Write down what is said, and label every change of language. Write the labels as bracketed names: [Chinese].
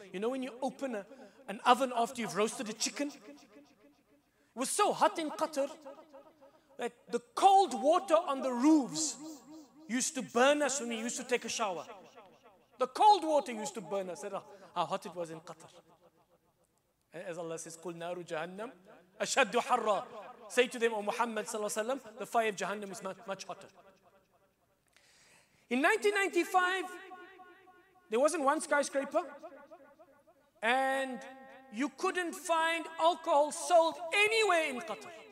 [English] You know when you open an oven after you've roasted a chicken? It was so hot in Qatar that the cold water on the roofs used to burn us when we used to take a shower. The cold water used to burn us. How hot it was in Qatar. As Allah says, [Arabic] قُلْ نَارُ جَهَنَّمْ أَشَدُّ حَرَّى. [English] Say to them, O Muhammad sallallahu alayhi wa sallam, the fire of Jahannam is much hotter. In 1995, there wasn't one skyscraper, and you couldn't find alcohol sold anywhere in Qatar.